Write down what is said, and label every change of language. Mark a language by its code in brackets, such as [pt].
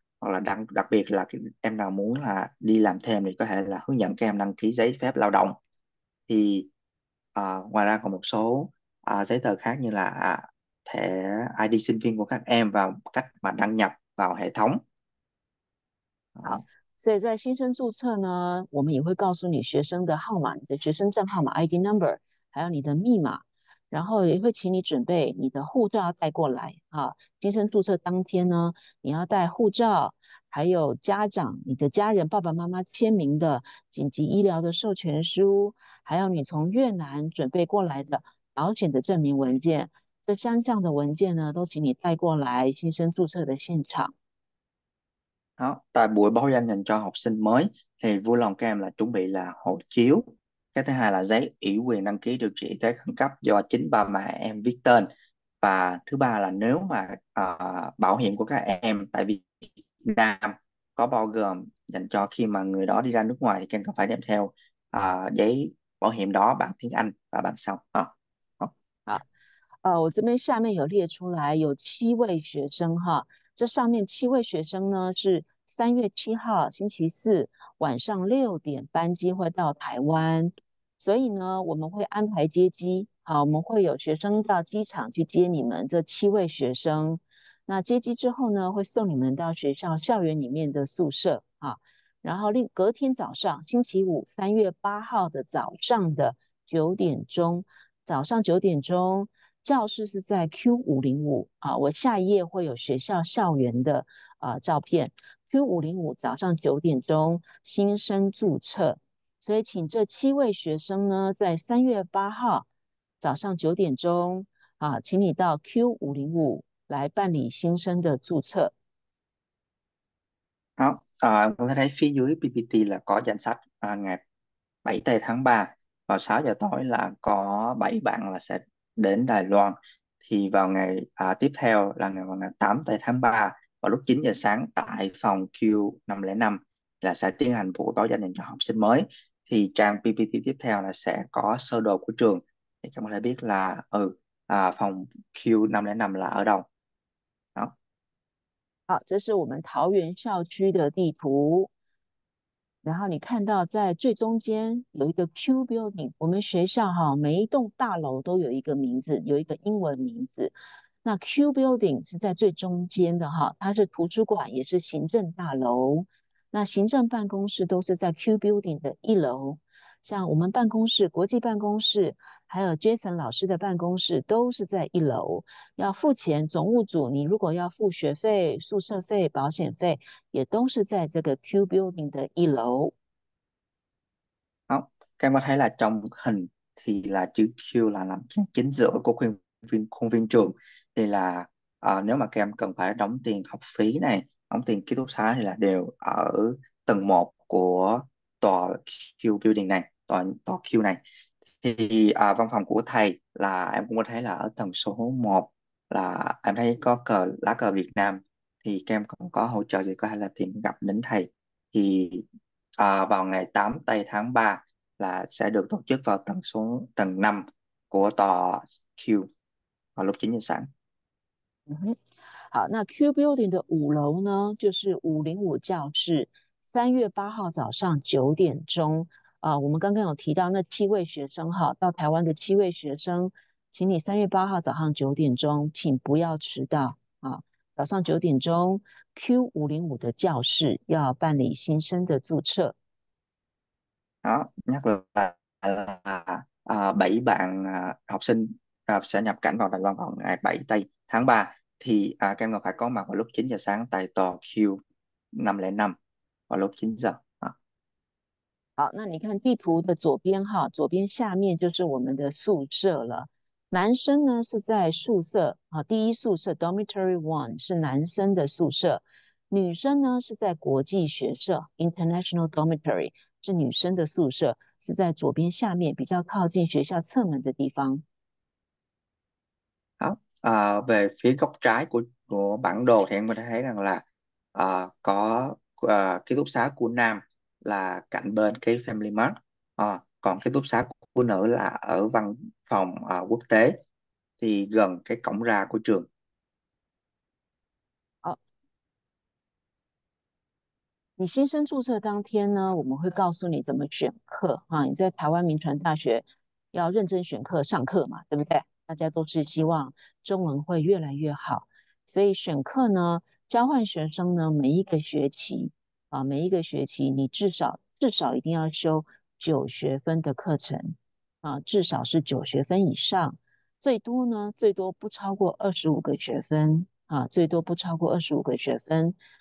[vi] Hoặc là đặc biệt là em nào muốn là đi làm thêm thì có thể là hướng dẫn các em đăng ký giấy phép lao động. Thì ngoài ra còn một số giấy tờ khác như là thẻ ID sinh viên của các em và cách mà đăng nhập vào hệ thống. Đó. [zh] 所以在新生注册呢，我们也会告诉你学生的号码，你的学生证号码 ID number，还有你的密码，然后也会请你准备你的护照带过来啊。新生注册当天呢，你要带护照，还有家长、你的家人爸爸妈妈签名的紧急医疗的授权书，还有你从越南准备过来的保险的证明文件，这3项的文件呢，都请你带过来新生注册的现场。 Đó, tại buổi báo danh dành cho học sinh mới thì vui lòng các em là chuẩn bị là hộ chiếu, cái thứ hai là giấy ủy quyền đăng ký điều trị y tế khẩn cấp do chính ba mẹ em viết tên, và thứ ba là nếu mà bảo hiểm của các em tại Việt Nam có bao gồm dành cho khi mà người đó đi ra nước ngoài thì các em phải đem theo giấy bảo hiểm đó, bản tiếng Anh và bản sao. 我这边下面有列出来，有7位学生哈。这上面7位学生呢，是3月7号星期四晚上6点班机会到台湾，所以呢，我们会安排接机。好，我们会有学生到机场去接你们这7位学生。那接机之后呢，会送你们到学校校园里面的宿舍啊。然后隔天早上，星期五3月8号的早上的9点钟，早上9点钟。教室是在 Q505 啊，我下一页会有学校校园的照片。 Q505 早上9点钟新生注册，所以请这7位学生呢在3月8号早上9点钟请你到 Q505 来办理新生的注册。 [vi] À, có thể thấy phía dưới PPT là có danh sách ngày 7 tây tháng 3 vào 6 giờ tối là có 7 bạn là sẽ đến Đài Loan. Thì vào ngày tiếp theo là ngày vào ngày 8 tây tháng 3 vào lúc 9 giờ sáng tại phòng Q505 là sẽ tiến hành buổi báo danh dành cho học sinh mới. Thì trang PPT tiếp theo là sẽ có sơ đồ của trường để cho mọi người biết là phòng Q505 là ở đâu. [zh] 好，这是我们桃园校区的地图。然后你看到在最中间有一个 Q Building，我们学校哈，每一栋大楼都有一个名字，有一个英文名字。那 Q Building 是在最中间的哈，它是图书馆，也是行政大楼。那行政办公室都是在 Q Building 的一楼。像我们办公室、国际办公室，还有 Jason 老师的办公室，都是在一楼。要付钱，总务组你如果要付学费、宿舍费、保险费，也都是在这个 Q Building 的一楼。 [vi] Các em có thấy là trong hình thì là chữ Q là nằm chính giữa của khuôn viên trường. Thì là nếu mà các em cần phải đóng tiền học phí này, đóng tiền ký túc xá thì là đều ở tầng 1 của tòa Q building này, tòa Q này. Thì văn phòng của thầy là em cũng có thấy là ở tầng số 1 là em thấy có cờ lá cờ Việt Nam. Thì các em còn có hỗ trợ gì có thể là tìm gặp đến thầy. Thì vào ngày 8 tây tháng 3 là sẽ được tổ chức vào tầng số tầng 5 của tòa Q vào lúc 9 giờ sáng. [zh] 好，那 Q Building 的5楼呢，就是505教室，3月8号早上9点钟。我们刚刚有提到那7位学生哈，到台湾的7位学生，请你3月8号早上9点钟，请不要迟到啊。早上9点钟，Q505的教室要办理新生的注册。 [vi] Đó, nhắc là 7 bạn học sinh sẽ nhập cảnh vào Đài Loan vào ngày 7 tây tháng 3 thì các em còn phải có mặt vào lúc 9 giờ sáng tại tòa Q505 vào lúc 9 giờ. [zh] 好，那你看地图的左边哈，左边下面就是我们的宿舍了。男生呢是在宿舍啊，第一宿舍 Dormitory One 是男生的宿舍，女生呢是在国际学社 International Dormitory 是女生的宿舍，是在左边下面比较靠近学校侧门的地方。 [vi] Về phía góc trái của bản đồ thì em có thể thấy rằng là có ký túc xá của nam là cạnh bên cái Family Mart, còn ký túc xá của nữ là ở văn phòng quốc tế thì gần cái cổng ra của trường. [zh] 你新生注册当天呢，我们会告诉你怎么选课啊。你在台湾民传大学要认真选课上课嘛，对不对？大家都是希望中文会越来越好，所以选课呢，交换学生呢，每一个学期啊，每一个学期你至少一定要修9学分的课程啊，至少是9学分以上，最多呢，最多不超过25个学分啊，最多不超过25个学分。